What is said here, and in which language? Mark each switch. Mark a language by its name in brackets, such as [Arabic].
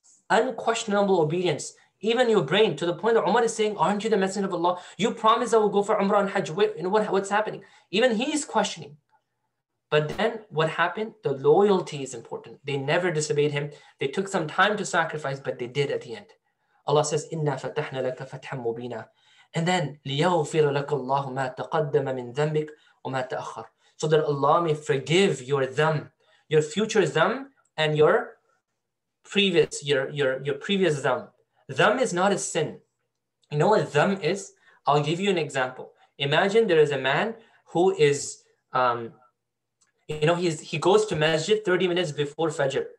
[English] Unquestionable obedience, even your brain, to the point that Umar is saying, aren't you the messenger of Allah? You promised I will go for Umrah and Hajj. Wait, you know what's happening? Even he is questioning. But then what happened? The loyalty is important. They never disobeyed him. They took some time to sacrifice, but they did at the end. Allah says, [Arabic] إِنَّا فَتَحْنَا لَكَ فَتْحًا مُبِينًا. [English] And then, [Arabic] لِيَغْفِرَ لَكَ اللَّهُ مَا تَقَدَّمَ مِنْ ذَنْبِكَ وَمَا تَأَخَّرَ. [English] So that Allah may forgive your dhamb, your future dhamb, and your previous dhamb. Dhamb is not a sin. You know what dhamb is? I'll give you an example. Imagine there is a man who is, he goes to masjid 30 minutes before Fajr.